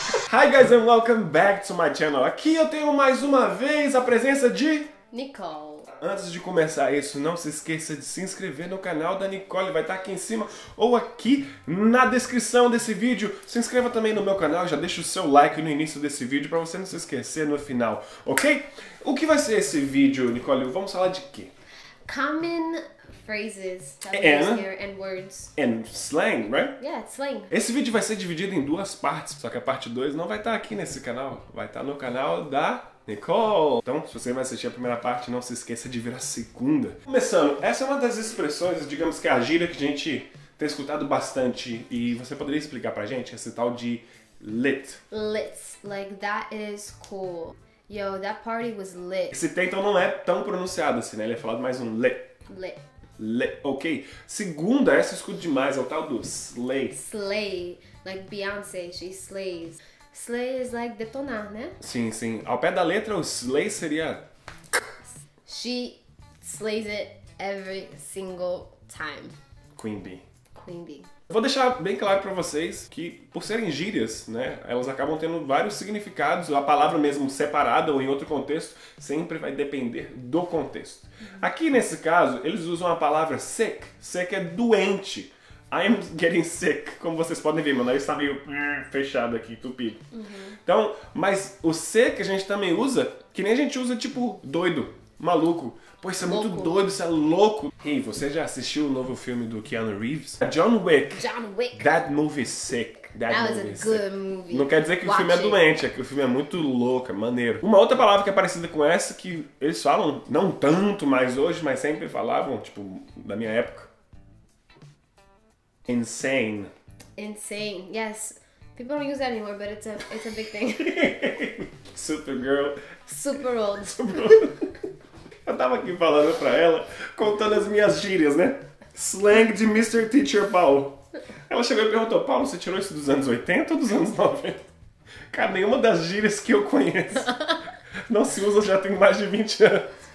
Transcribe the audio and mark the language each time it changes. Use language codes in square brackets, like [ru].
[en] Hi guys and welcome back to my channel. [pt] Aqui eu tenho mais uma vez a presença de Nicole. Antes de começar isso, não se esqueça de se inscrever no canal da Nicole. Vai estar aqui em cima ou aqui na descrição desse vídeo. Se inscreva também no meu canal. Já deixa o seu like no início desse vídeo para você não se esquecer no final, ok? O que vai ser esse vídeo, Nicole? Vamos falar de quê? [en] Common phrases that we use here and words. And slang, right? Yeah, slang. [pt] Esse vídeo vai ser dividido em duas partes, só que a parte 2 não vai estar aqui nesse canal. Vai estar no canal da Nicole. Então, se você vai assistir a primeira parte, não se esqueça de ver a segunda. Começando, essa é uma das expressões, digamos que é a gíria que a gente tem escutado bastante. E você poderia explicar pra gente esse tal de lit. [en] Lit. Like, that is cool. Yo, that party was lit. [pt] Esse T então não é tão pronunciado assim, né? Ele é falado mais um lit. [en] Lit. Lit, ok. [pt] Segunda, essa eu escuto demais, é o tal do slay. [en] Slay. Like Beyoncé, she slays. Slay is like [pt] detonar, né? Sim, sim. Ao pé da letra, o slay seria... [en] She slays it every single time. Queen bee. Queen bee. [pt] Vou deixar bem claro pra vocês que, por serem gírias, né, elas acabam tendo vários significados, a palavra mesmo separada ou em outro contexto, sempre vai depender do contexto. Aqui, nesse caso, eles usam a palavra sick. Sick é doente. [en] I'm getting sick, [pt] como vocês podem ver, meu nariz está meio fechado aqui, tupido. Uhum. Então, mas o sick a gente também usa, que nem a gente usa tipo doido, maluco. Pô, isso é louco. Muito doido, isso é louco. Hey, você já assistiu o novo filme do Keanu Reeves? John Wick. [en] That movie's sick. That was a good movie. [pt] Não quer dizer que o filme é doente, é que o filme é muito louco, é maneiro. Uma outra palavra que é parecida com essa, que eles falam, não tanto mais hoje, mas sempre falavam, tipo, da minha época. [en] Insane. Insane, yes. People don't use that anymore, but it's a big thing. Supergirl. Super old. Super old. [pt] Eu tava aqui falando pra ela, contando as minhas gírias, né? Slang de Mr. Teacher Paul. Ela chegou e perguntou, Paul, você tirou isso dos anos 80 ou dos anos 90? Cara, nenhuma das gírias que eu conheço não se usa já tem mais de 20 anos.